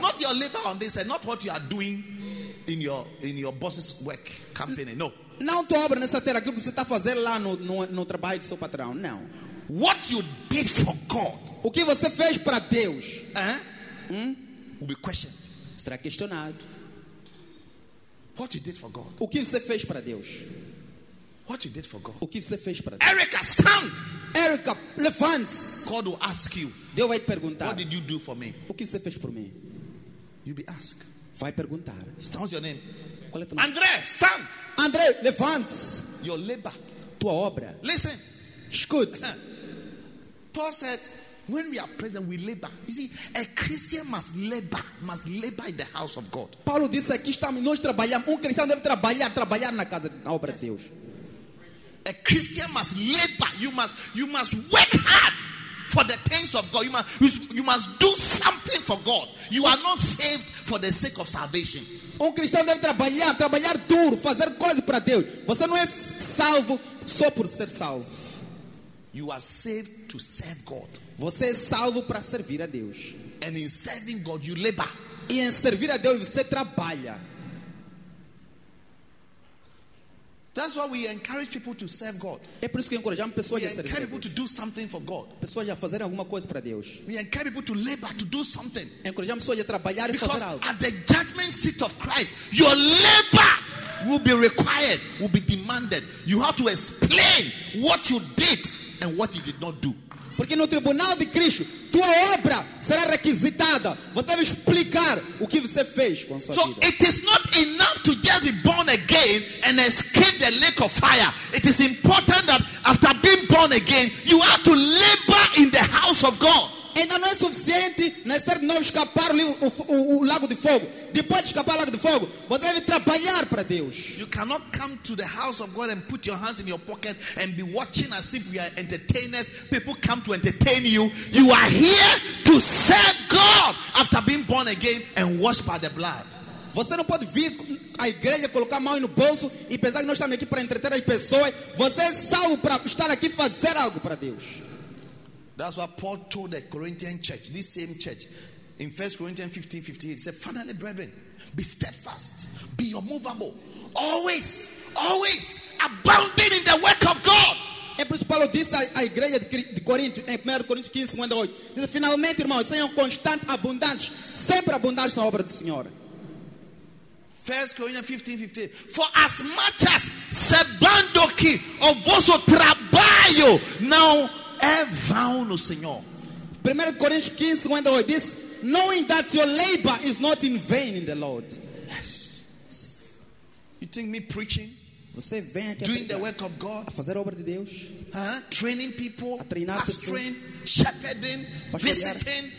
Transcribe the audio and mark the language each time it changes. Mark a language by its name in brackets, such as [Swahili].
[English] Not your labor on this side, not what you are doing in your boss's work company. No. [Portuguese] Não tua obra nessa terra, aquilo que você está fazendo lá no trabalho do seu patrão. Não. [English] What you did for God. [Portuguese] O que você fez para Deus? [English] Will be questioned. [Portuguese] Será questionado. [English] What you did for God. [Portuguese] O que você fez para Deus? [English] What you did for God. [Portuguese] O que você fez para Deus? [English] Erica, stand. [Portuguese] Erica, levante. [English] God will ask you. [Portuguese] Deus vai te perguntar. [English] What did you do for me? [Portuguese] O que você fez por mim? [English] You be asked. [Portuguese] Vai perguntar. [English] Stand your name. [Portuguese] Qual é teu nome? [English] André, stand. [Portuguese] André, levante. [English] Your labor. [Portuguese] Tua obra. [English] Listen. [Portuguese] Escute. [English] Paul said, when we are present, we labor. You see, a Christian must labor in the house of God. [Portuguese] Paulo disse aqui estamos nós trabalhamos. Cristão deve trabalhar na casa na obra de Deus. [English] A Christian must labor. You must work hard for the things of God. You must do something for God. You are not saved for the sake of salvation. [Portuguese] Cristão deve trabalhar duro, fazer coisa para Deus. Você não é salvo só por ser salvo. [English] You are saved to serve God. [Portuguese] Você é salvo para servir a Deus. [English] And in serving God, you labor. [Portuguese] E em servir a Deus, você trabalha. [English] That's why we encourage people to serve God. [Portuguese] É por isso que encorajamos pessoas a servir. [English] We encourage people to do something for God. [Portuguese] Pessoas a fazer alguma coisa para Deus. [English] We encourage people to labor to do something. [Portuguese] Encorajamos pessoas a trabalhar e fazer algo. [English] Because at the judgment seat of Christ, your labor will be required, will be demanded. You have to explain what you did and what you did not do. [Portuguese] Porque no tribunal de Cristo, tua obra será requisitada. Você deve explicar o que você fez com a sua so vida. [English] It is not enough to just be born again and escape the lake of fire. It is important that after being born again, you have to labor in the house of God. [Portuguese] Ainda não é suficiente necessário de novo escapar o lago de fogo. Depois de escapar o lago de fogo, você deve trabalhar para Deus. [English] You cannot come to the house of God and put your hands in your pocket and be watching as if we are entertainers. People come to entertain you. You are here to serve God after being born again and washed by the blood. [Portuguese] Você não pode vir à igreja, colocar a mão no bolso e pensar que nós estamos aqui para entreter as pessoas. Você é salvo para estar aqui fazer algo para Deus. [English] That's what Paul told the Corinthian church, this same church, in 1 Corinthians 15:58. He said, finally, brethren, be steadfast, be immovable, always, always abounding in the work of God. [Portuguese] É por isso que Paulo disse à igreja de Corinto, em 1 Coríntios 15:58. Ele disse, finalmente, irmãos, sejam constantes, abundantes, sempre abundantes na obra do Senhor. 1 Coríntios 15:58. [English] For as much as [Portuguese] se bando que o vosso trabalho não é vão no Senhor. 1 Coríntios 15:58 diz, [English] knowing that your labor is not in vain in the Lord. Yes. You think me preaching? [Portuguese] Você vem aqui [English] doing the work of God? [Portuguese] A fazer a obra de Deus? [English] Training people, [Portuguese] a treinar [English] pastoring, [Portuguese] pessoas, [English] shepherding, visiting,